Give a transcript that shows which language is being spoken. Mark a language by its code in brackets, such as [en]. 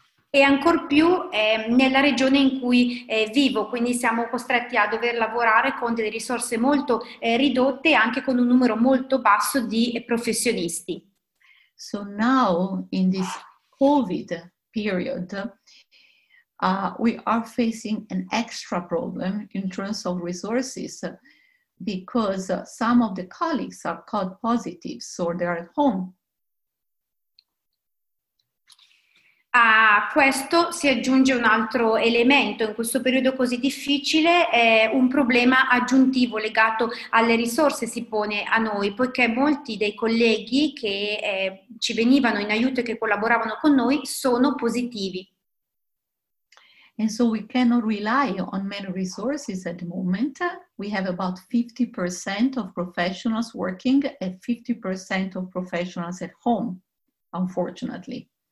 [it] E ancor più nella regione in cui vivo, quindi siamo costretti a dover lavorare con delle risorse molto ridotte, anche con un numero molto basso di professionisti. [en] So now, in this COVID period, we are facing an extra problem in terms of resources because some of the colleagues are caught positive, so they are at home. [it] A questo si aggiunge un altro elemento. In questo periodo così difficile è un problema aggiuntivo legato alle risorse si pone a noi, poiché molti dei colleghi che ci venivano in aiuto e che collaboravano con noi sono positivi. [en] And so we cannot rely on many resources at the moment. We have about 50% of professionals working and 50% of professionals at home, unfortunately.